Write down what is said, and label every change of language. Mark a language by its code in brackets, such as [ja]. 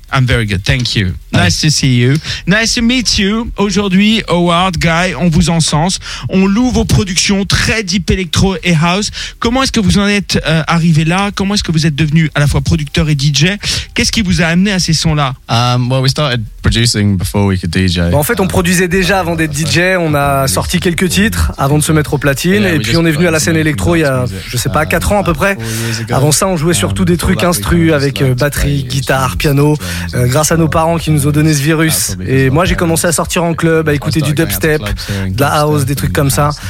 [en] I'm very good, thank you. Nice to see you. Nice to meet you. [fr] Aujourd'hui, Howard, Guy, on vous encense. On loue vos productions très deep electro et house. Comment est-ce que vous en êtes arrivé là? Comment est-ce que vous êtes devenu à la fois producteur et DJ? Qu'est-ce qui vous a amené à ces sons-là? [en] Well, we started producing before we could DJ. [fr] Bon, en fait, on produisait déjà avant d'être DJ. On a sorti quelques titres avant de se mettre au platine. Yeah, et puis, on est venu à la scène électro il y a, je sais pas, 4 ans à peu près. Avant ça, on jouait surtout des trucs instru avec batterie, guitare, piano. Grâce à nos parents qui nous ont donné ce virus. Et moi, j'ai commencé à sortir en club, à écouter du dubstep, de la house, des trucs comme ça.